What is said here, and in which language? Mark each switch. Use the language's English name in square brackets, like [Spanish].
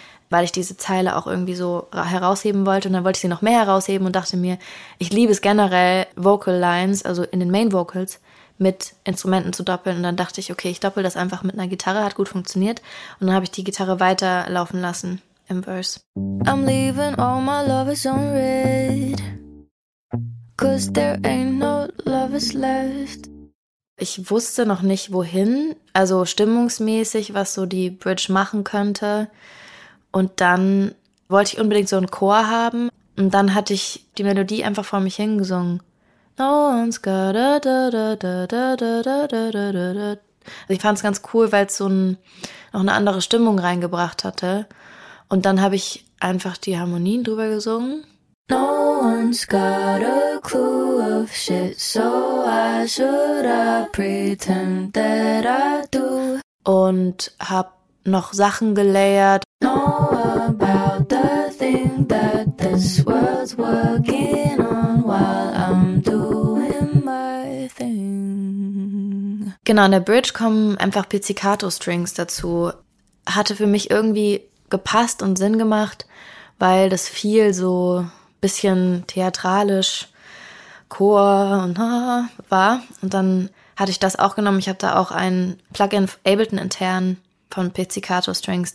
[German] weil ich diese Zeile auch irgendwie so herausheben wollte. Und dann wollte ich sie noch mehr herausheben und dachte mir, ich liebe es generell, Vocal Lines, also in den Main Vocals, mit Instrumenten zu doppeln. Und dann dachte ich, okay, ich doppel das einfach mit einer Gitarre, hat gut funktioniert. Und dann habe ich die Gitarre weiterlaufen lassen im Verse. [English] I'm leaving all my lovers on red. Cause there ain't no lovers left. [German] Ich wusste noch nicht, wohin, also stimmungsmäßig, was so die Bridge machen könnte. Und dann wollte ich unbedingt so einen Chor haben. Und dann hatte ich die Melodie einfach vor mich hingesungen. [English] No one's got a da da da da da da da da da da. [German] Also ich fand es ganz cool, weil es so noch eine andere Stimmung reingebracht hatte. Und dann habe ich einfach die Harmonien drüber gesungen. [English] No one's got a clue of shit, so why should I pretend that I do? [German] Und hab noch Sachen gelayert. [English] Know about the thing that this world's working on while I'm doing my thing. [German] Genau, in der Bridge kommen einfach Pizzicato-Strings dazu. Hatte für mich irgendwie gepasst und Sinn gemacht, weil das viel so bisschen theatralisch, Chor und war. Und dann hatte ich das auch genommen. Ich habe da auch ein Plugin Ableton intern von Pizzicato Strings.